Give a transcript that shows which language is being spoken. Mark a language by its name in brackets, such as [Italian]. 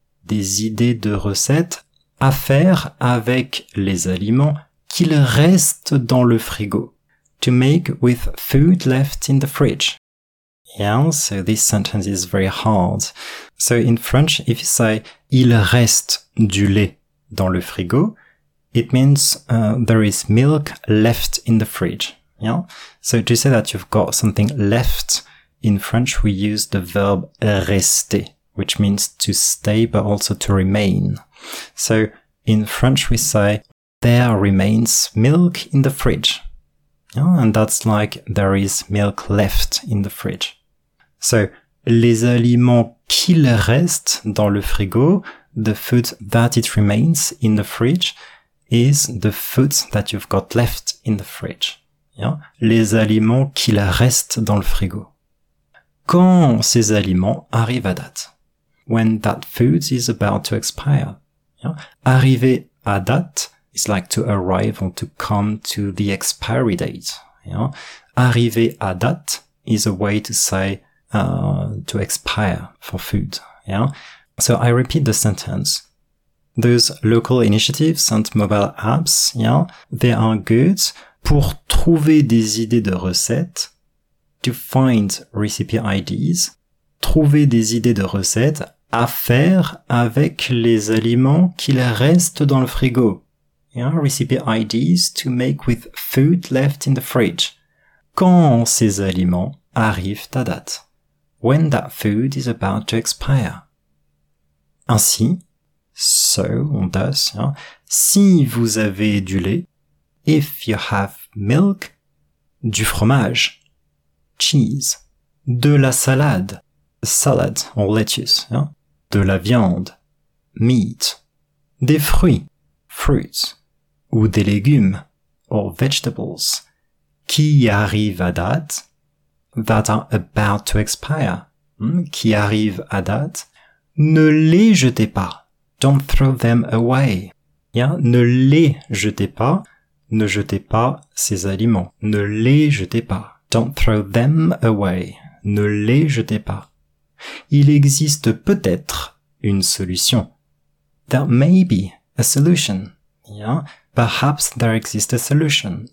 [French] Des idées de recettes à faire avec les aliments qu'il reste dans le frigo. [English] To make with food left in the fridge. Yeah, so this sentence is very hard. So in French, if you say, [French] il reste du lait dans le frigo, [English] it means there is milk left in the fridge. Yeah. So to say that you've got something left, in French, we use the verb rester, which means to stay, but also to remain. So in French, we say, there remains milk in the fridge. Yeah, and that's like, there is milk left in the fridge. So, [French] les aliments qu'il reste dans le frigo, [English] the food that it remains in the fridge, is the food that you've got left in the fridge. Yeah? [French] Les aliments qu'il reste dans le frigo. Quand ces aliments arrivent à date? [English] When that food is about to expire. Yeah? [French] Arriver à date [English] is like to arrive or to come to the expiry date. Yeah? [French] Arriver à date [English] is a way to say to expire for food, yeah? So I repeat the sentence. Those local initiatives and mobile apps, yeah, they are good [French] pour trouver des idées de recettes, [English] to find recipe ideas, [French] trouver des idées de recettes à faire avec les aliments qu'il reste dans le frigo. [English] Yeah, recipe ideas to make with food left in the fridge. [French] Quand ces aliments arrivent à date. [English] When that food is about to expire. [French] Ainsi, [English] so, on does, yeah. [French] Si vous avez du lait, [English] if you have milk, [French] du fromage, [English] cheese, [French] de la salade, [English] salad or lettuce, yeah. [French] De la viande, [English] meat, [French] des fruits, fruits, ou des légumes, [English] or vegetables, [French] qui arrivent à date, [English] that are about to expire, [French] qui arrivent à date, ne les jetez pas. [English] Don't throw them away. Yeah? [French] Ne les jetez pas. Ne jetez pas ces aliments. Ne les jetez pas. [English] Don't throw them away. [French] Ne les jetez pas. Il existe peut-être une solution. [English] There may be a solution. Yeah? Perhaps there exists a solution.